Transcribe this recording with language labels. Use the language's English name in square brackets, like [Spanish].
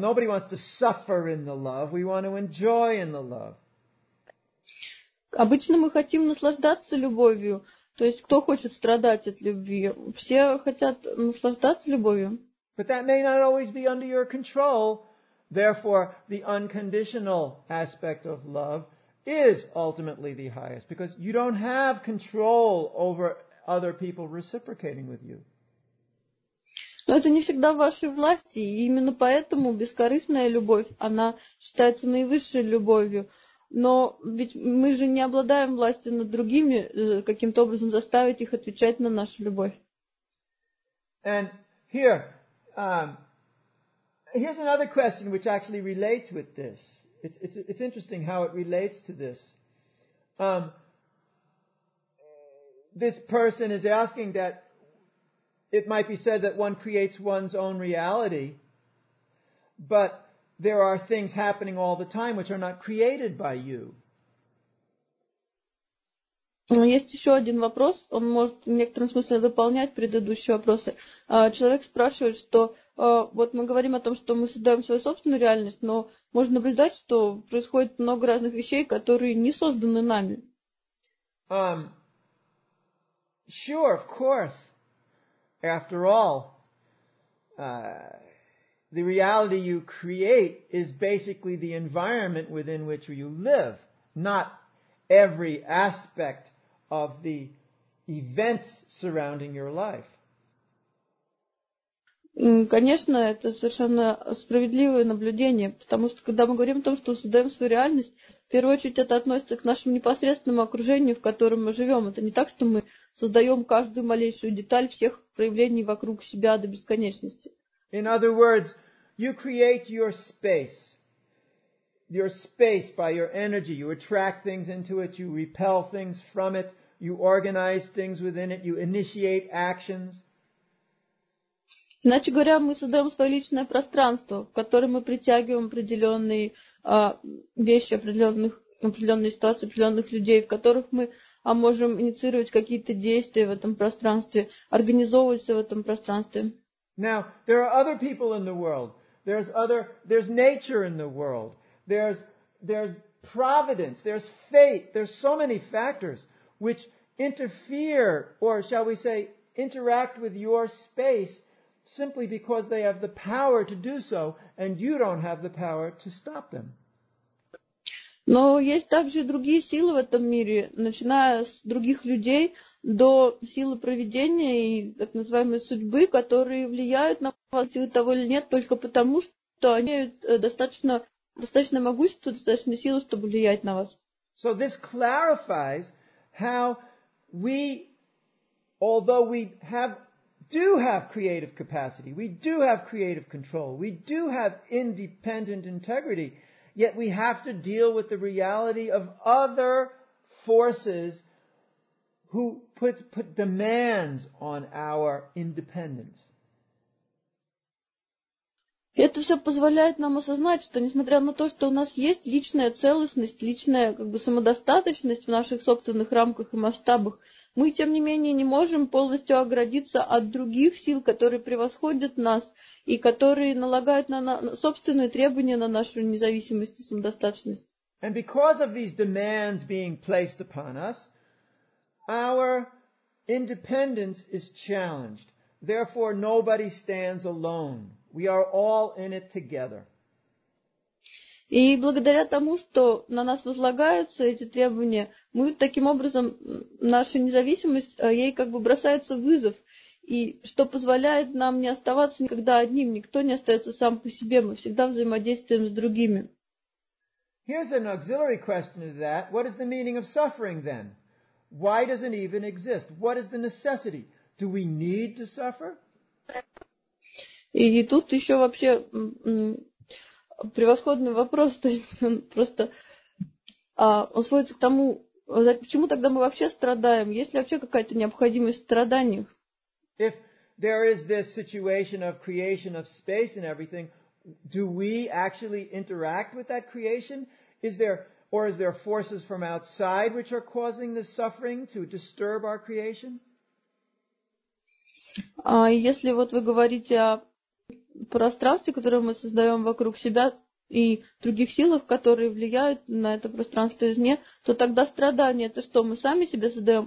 [English] Nobody wants to suffer in the love. We want to enjoy in the love. [Russian] Обычно мы хотим наслаждаться любовью. То есть кто хочет страдать от любви? Все хотят наслаждаться любовью. [English] But that may not always be under your control. Therefore, the unconditional aspect of love is ultimately the highest, because you don't have control over other people reciprocating with you. [Russian] Но это не всегда в вашей власти, и именно поэтому бескорыстная любовь, она считается наивысшей любовью. Но ведь мы же не обладаем властью над другими, каким-то образом заставить их отвечать на нашу любовь. [English] And here, here's another question which actually relates with this. It's interesting how it relates to this. This person is asking that it might be said that one creates one's own reality, but there are things happening all the time which are not created by you. [Russian] Есть еще один вопрос. Он может в некотором смысле дополнять предыдущие вопросы. Человек спрашивает, что вот мы говорим о том, что мы создаем свою собственную реальность, но можно наблюдать, что происходит много разных вещей, которые не созданы нами. [English] Sure, of course. After all, the reality you create is basically the environment within which you live, not every aspect of the events surrounding your life. [Russian] Конечно, это совершенно справедливое наблюдение, потому что когда мы говорим о том, что создаем свою реальность, в первую очередь это относится к нашему непосредственному окружению, в котором мы живем. Это не так, что мы создаем каждую малейшую деталь всех проявлений вокруг себя до бесконечности. [English] In other words, you create your space. Your space by your energy. You attract things into it. You repel things from it. You organize things within it. You initiate actions. [Russian] Иначе говоря, мы создаем свое личное пространство, в которое мы притягиваем определенные вещи, определенные ситуации, определенных людей, в которых мы можем инициировать какие-то действия в этом пространстве, организовываться в этом пространстве. [English] Now, there are other people in the world. There's nature in the world. There's providence. There's fate. There's so many factors which interfere, or shall we say, interact with your space simply because they have the power to do so, and you don't have the power to stop them. [Russian] Но есть также другие силы в этом мире, начиная с других людей до силы провидения и так называемой судьбы, которые влияют на вас, силы того или нет, только потому, что они имеют достаточно могущество, достаточно силы, чтобы влиять на вас. [English] So this clarifies how we, although we do have creative capacity, we do have creative control, we do have independent integrity, yet we have to deal with the reality of other forces who put demands on our independence. [Russian] Это все позволяет нам осознать, что несмотря на то, что у нас есть личная целостность, личная как бы самодостаточность в наших собственных рамках и масштабах, мы, тем не менее, не можем полностью оградиться от других сил, которые превосходят нас и которые налагают на собственные требования на нашу независимость и самодостаточность. [English] And because of these demands being placed upon us, our independence is challenged. Therefore, nobody stands alone. We are all in it together. [Russian] И благодаря тому, что на нас возлагаются эти требования, мы таким образом, наша независимость, ей как бы бросается вызов, и что позволяет нам не оставаться никогда одним, никто не остается сам по себе, мы всегда взаимодействуем с другими. [English] Here's an auxiliary question to that. What is the meaning of suffering then? Why does it even exist? What is the necessity? Do we need to suffer? [Russian] И тут еще вообще... Превосходный вопрос, то есть он просто он сводится к тому, почему тогда мы вообще страдаем? Есть ли вообще какая-то необходимость в страданиях? [English] If there is this situation of creation of space and everything, do we actually interact with that creation? Is there forces from outside which are causing the suffering to disturb our creation? [Russian] Если вот вы говорите о пространстве, которое мы создаем вокруг себя и других силах, которые влияют на это пространство извне, то тогда страдание – это что, мы сами себе создаем?